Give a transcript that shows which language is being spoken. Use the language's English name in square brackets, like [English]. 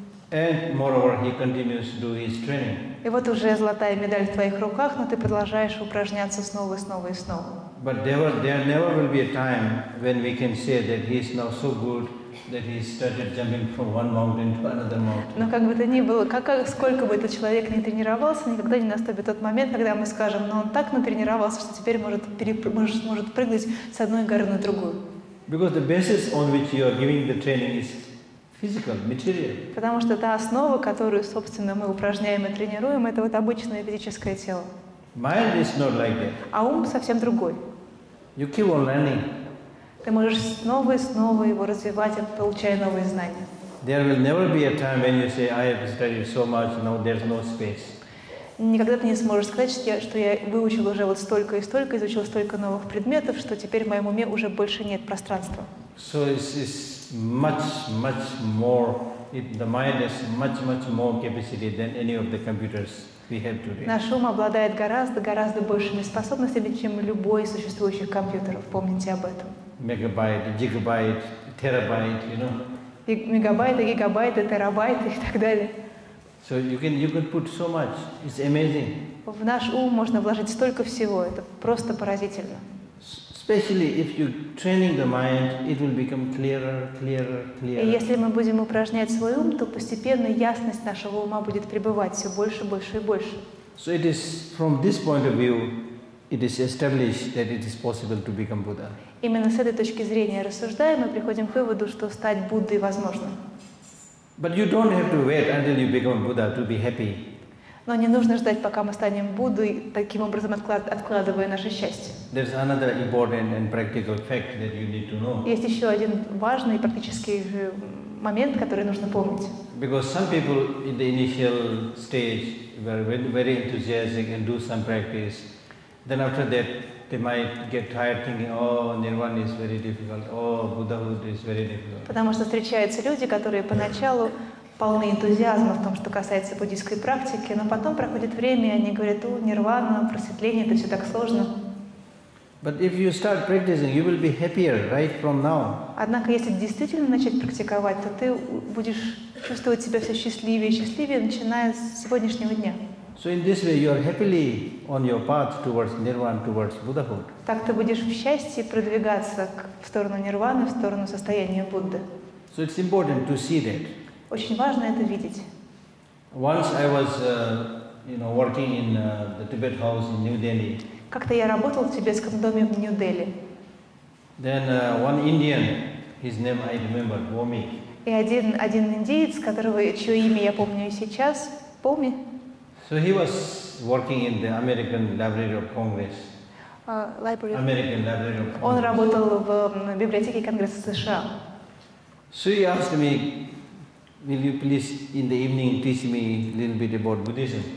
[English] And moreover, he continues to do his training. [Russian] И вот уже золотая медаль в твоих руках, но ты продолжаешь упражняться снова и снова и снова. [English] But there never will be a time when we can say that he is now so good that he started jumping from one mountain to another mountain. [Russian] Но как бы то ни было, сколько бы этот человек ни тренировался, никогда не наступит тот момент, когда мы скажем, но он так натренировался, что теперь может прыгнуть с одной горы на другую. [English] Because the basis on which you are giving the training is physical, material. [Russian] Потому что та основа, которую, собственно, мы упражняем и тренируем, это вот обычное физическое тело. [English] Mind is not like that. [Russian] А ум совсем другой. [English] You keep on learning. [Russian] Ты можешь снова и снова его развивать, получая новые знания. [English] There will never be a time when you say, I have studied so much, now there's no space. [Russian] Никогда ты не сможешь сказать, что я выучил уже вот столько и столько, изучил столько новых предметов, что теперь в моем уме уже больше нет пространства. [English] So it's much, much more. The mind has much, much more capacity than any of the computers we have today. [Russian] Наш ум обладает гораздо, гораздо большими способностями, чем любой из существующих компьютеров. Помните об этом. Мегабайт, гигабайт, терабайт, [English] you know. [Russian] Мегабайты, гигабайты, терабайты и так далее. [English] So you can put so much. It's amazing. [Russian] В наш ум можно вложить столько всего. Это просто поразительно. [English] Especially if you training the mind, it will become clearer, clearer, clearer. [Russian] И если мы будем упражнять свой ум, то постепенно ясность нашего ума будет пребывать все больше, больше и больше. [English] So it is from this point of view, it is established that it is possible to become Buddha. [Russian] Именно с этой точки зрения рассуждаем и приходим к выводу, что стать Буддой возможно. [English] But you don't have to wait until you become Buddha to be happy. [Russian] Но не нужно ждать, пока мы станем Буддой, таким образом откладывая наше счастье. [English] There's another important and practical fact that you need to know. [Russian] Есть еще один важный практический момент, который нужно помнить. [English] Because some people in the initial stage were very enthusiastic and do some practice. Then after that, they might get tired, thinking, "Oh, Nirvana is very difficult. Oh, Buddhahood is very difficult." [Russian] Потому что встречаются люди, которые поначалу полны энтузиазма в том, что касается буддийской практики, но потом проходит время, и они говорят, о, нирвана, просветление, это все так сложно. [English] But if you start practicing, you will be happier right from now. [Russian] Однако, если действительно начать практиковать, то ты будешь чувствовать себя все счастливее и счастливее, начиная с сегодняшнего дня. [English] So in this way, you are happily on your path towards nirvana, towards Buddhahood. [Russian] Так ты будешь в счастье продвигаться в сторону нирваны, в сторону состояния Будды. [English] So it's important to see that. [Russian] Очень важно это видеть. [English] Once I was, you know, working in the Tibet house in New Delhi. [Russian] Как-то я работал в тибетском доме в Нью-Дели. [English] Then one Indian, his name I remember, Bhoomi. [Russian] И один индиец, которого, чье имя я помню сейчас, Поми. [English] So he was working in the American Library of Congress. Library. American Library of Congress. [Russian] Он работал в библиотеке Конгресса США. [English] So he asked me, will you please in the evening teach me a little bit about Buddhism?